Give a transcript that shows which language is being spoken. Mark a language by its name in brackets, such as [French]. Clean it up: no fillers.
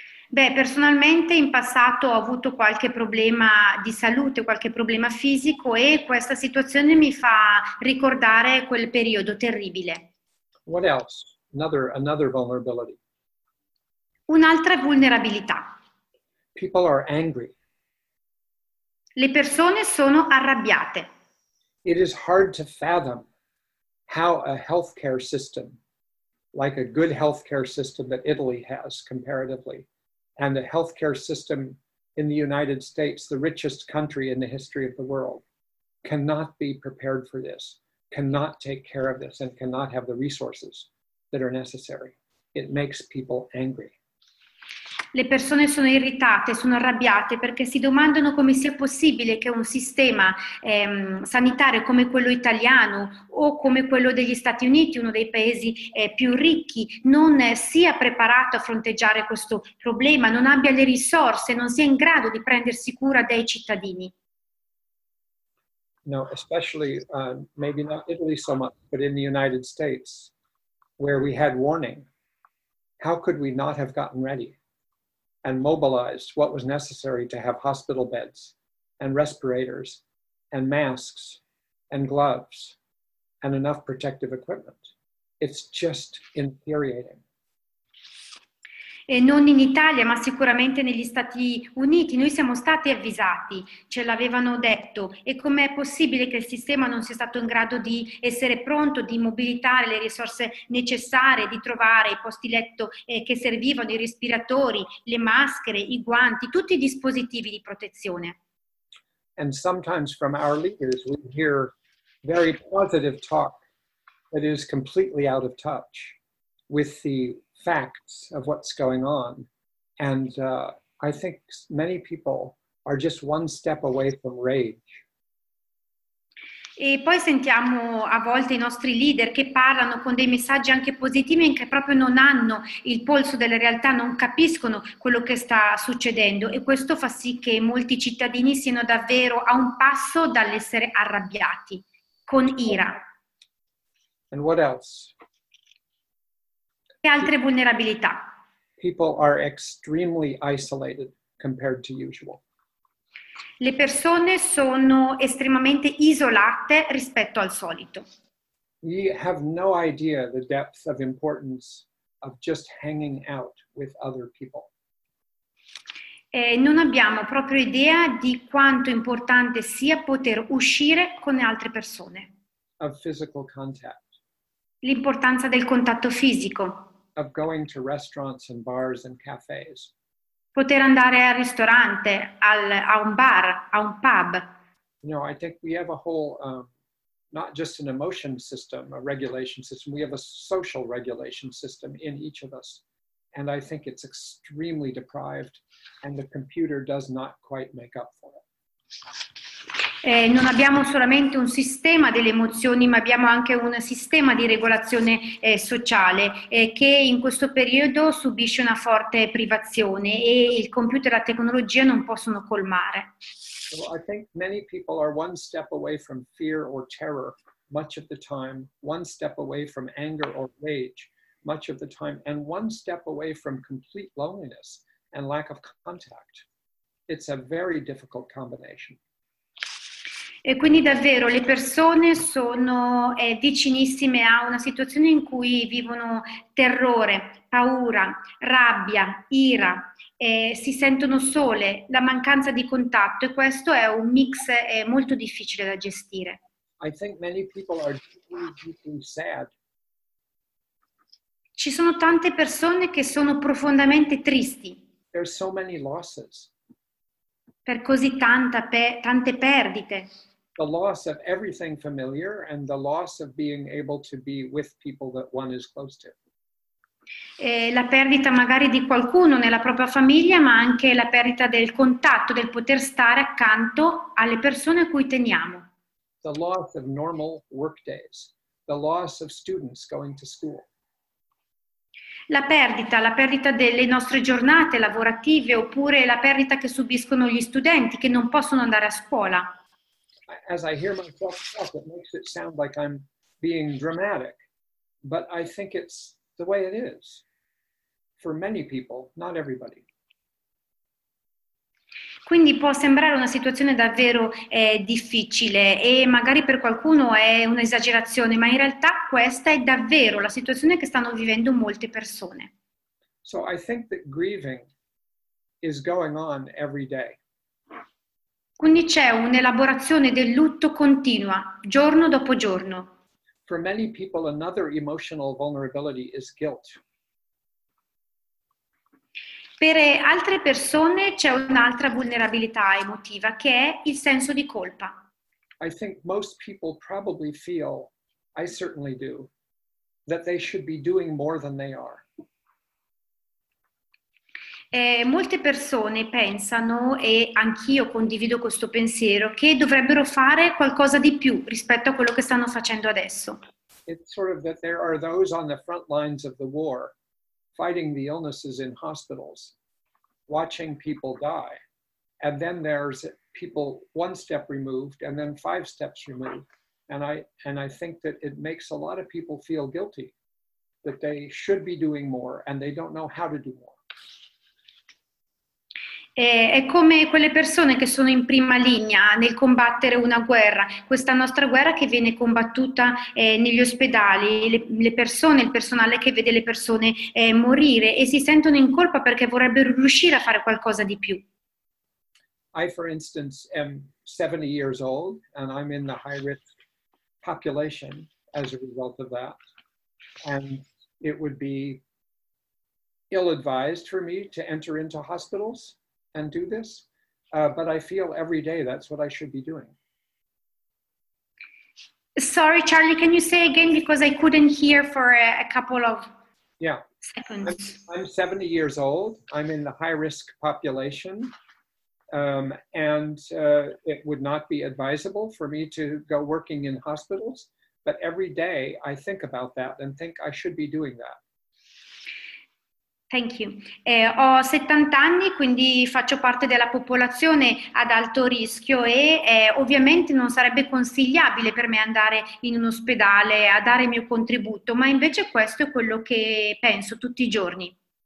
[Italian] Beh, personalmente in passato ho avuto qualche problema di salute, qualche problema fisico, e questa situazione mi fa ricordare quel periodo terribile. [English] What else? Another vulnerability. [Italian] Un'altra vulnerabilità. [English] People are angry. [Italian] Le persone sono arrabbiate. [English] It is hard to fathom how a healthcare system, like a good healthcare system that Italy has comparatively, and a healthcare system in the United States, the richest country in the history of the world, cannot be prepared for this, cannot take care of this, and cannot have the resources that are necessary. It makes people angry. [Italian] Le persone sono irritate, sono arrabbiate perché si domandano come sia possibile che un sistema sanitario come quello italiano o come quello degli Stati Uniti, uno dei paesi più ricchi, non sia preparato a fronteggiare questo problema, non abbia le risorse, non sia in grado di prendersi cura dei cittadini. [English] No, especially maybe not Italy so much, but in the United States, where we had warning, how could we not have gotten ready and mobilized what was necessary to have hospital beds and respirators and masks and gloves and enough protective equipment? It's just infuriating. [Italian] E non in Italia, ma sicuramente negli Stati Uniti. Noi siamo stati avvisati, ce l'avevano detto. E com'è possibile che il sistema non sia stato in grado di essere pronto, di mobilitare le risorse necessarie, di trovare i posti letto che servivano, i respiratori, le maschere, i guanti, tutti i dispositivi di protezione? [English] And sometimes from our leaders we hear very positive talk that is completely out of touch with the facts of what's going on, and I think many people are just one step away from rage. [Italian] E poi sentiamo a volte i nostri leader che parlano con dei messaggi anche positivi, in che proprio non hanno il polso della realtà, non capiscono quello che sta succedendo, e questo fa sì che molti cittadini siano davvero a un passo dall'essere arrabbiati, con ira. [English] And what else? [Italian] E altre vulnerabilità. [English] People are extremely isolated compared to usual. [Italian] Le persone sono estremamente isolate rispetto al solito. [English] We have no idea the depth of importance of just hanging out with other people. [Italian] Non abbiamo proprio idea di quanto importante sia poter uscire con altre persone. [English] Of physical contact. [Italian] L'importanza del contatto fisico. [English] Of going to restaurants and bars and cafes. [Italian] Poter andare al ristorante, a un bar, a un pub. [English] No, I think we have a whole, not just an emotion system, a regulation system, we have a social regulation system in each of us. And I think it's extremely deprived, and the computer does not quite make up for it. [Italian] Non abbiamo solamente un sistema delle emozioni, ma abbiamo anche un sistema di regolazione sociale che in questo periodo subisce una forte privazione e il computer e la tecnologia non possono colmare. [English] Well, I think many people are one step away from fear or terror much of the time, one step away from anger or rage much of the time, and one step away from complete loneliness and lack of contact. It's a very difficult combination. [Italian] E quindi davvero le persone sono vicinissime a una situazione in cui vivono terrore, paura, rabbia, ira, si sentono sole, la mancanza di contatto, e questo è un mix molto difficile da gestire. [English] I think many people are deeply sad. [Italian] Ci sono tante persone che sono profondamente tristi. [English] There are so many losses. [Italian] Per così tante perdite. [English] The loss of everything familiar and the loss of being able to be with people that one is close to. [Italian] La perdita magari di qualcuno nella propria famiglia, ma anche la perdita del contatto, del poter stare accanto alle persone a cui teniamo. [English] The loss of normal work days, the loss of students going to school. [Italian] La perdita delle nostre giornate lavorative, oppure la perdita che subiscono gli studenti che non possono andare a scuola. [English] As I hear myself talk, it makes it sound like I'm being dramatic, but I think it's the way it is for many people, not everybody. [Italian] Quindi può sembrare una situazione davvero difficile e magari per qualcuno è un'esagerazione, ma in realtà questa è davvero la situazione che stanno vivendo molte persone. [English] So I think that grieving is going on every day. [Italian] Quindi c'è un'elaborazione del lutto continua, giorno dopo giorno. [English] For many people, another emotional vulnerability is guilt. [Italian] Per altre persone c'è un'altra vulnerabilità emotiva che è il senso di colpa. [English] I think most people probably feel, I certainly do, that they should be doing more than they are. [Italian] Molte persone pensano, e anch'io condivido questo pensiero, che dovrebbero fare qualcosa di più rispetto a quello che stanno facendo adesso. [English] It's sort of that there are those on the front lines of the war, fighting the illnesses in hospitals, watching people die, and then there's people one step removed, and then five steps removed, and I think that it makes a lot of people feel guilty, that they should be doing more, and they don't know how to do more. [Italian] È come quelle persone che sono in prima linea nel combattere una guerra, questa nostra guerra che viene combattuta negli ospedali, le persone, il personale che vede le persone morire e si sentono in colpa perché vorrebbero riuscire a fare qualcosa di più. [English] I, for instance, am 70 years old and I'm in the high-risk population as a result of that. And it would be ill-advised for me to enter into hospitals and do this, but I feel every day that's what I should be doing. Sorry, Charlie, can you say again because I couldn't hear for a couple of seconds. I'm 70 years old, I'm in the high-risk population, and it would not be advisable for me to go working in hospitals, but every day I think about that and think I should be doing that. Thank you. [Italian] Ho 70 anni, quindi faccio parte della popolazione ad alto rischio e ovviamente non sarebbe consigliabile per me andare in un ospedale a dare il mio contributo, ma invece questo è quello che penso tutti i giorni.